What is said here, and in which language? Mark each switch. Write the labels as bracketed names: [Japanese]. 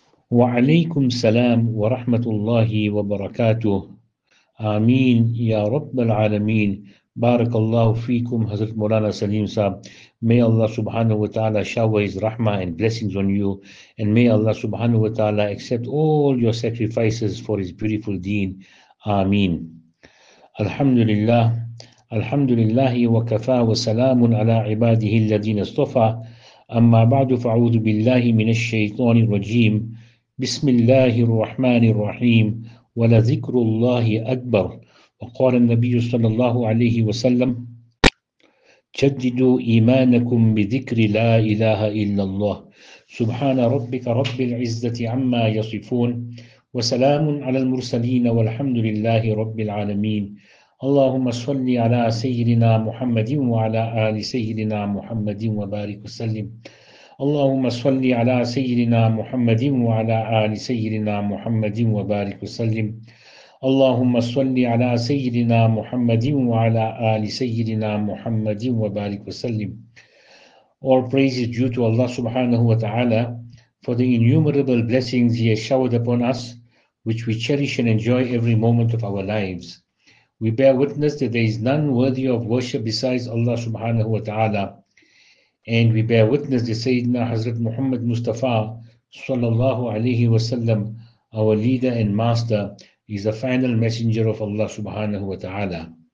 [Arabic] وعليكم السلام ورحمة الله وبركاته. آمين يا رب العالمين. بارك الله فيكم حضرت مولانا سليم صاحب. [English] May Allah subhanahu wa ta'ala shower his rahmah and blessings on you. And may Allah subhanahu wa ta'ala accept all your sacrifices for his beautiful deen. [Arabic] آمين. الحمد لله. الحمد لله وكفى وسلام على عباده الذين اصطفى. أما بعد فأعوذ بالله من الشيطان الرجيم. بسم الله الرحمن الرحيم ولذكر الله أكبر وقال النبي صلى الله عليه وسلم جددوا إيمانكم بذكر لا إله إلا الله سبحان ربك رب العزة عما يصفون وسلام على المرسلين والحمد لله رب العالمين اللهم صل على سيدنا محمد وعلى آل سيدنا محمد وبارك وسلم اللهم صل على سيدنا محمد وعلى آل سيدنا محمد وبارك وسلم اللهم صل على سيدنا محمد وعلى آل سيدنا محمد وبارك وسلم [English] All praise is due to Allah subhanahu wa ta'ala for the innumerable blessings He has showered upon us, which we cherish and enjoy every moment of our lives. We bear witness that there is none worthy of worship besides Allah subhanahu wa ta'ala. And we bear witness to Sayyidina Hazrat Muhammad Mustafa sallallahu alayhi wa sallam, our leader and master, is the final messenger of Allah subhanahu wa ta'ala.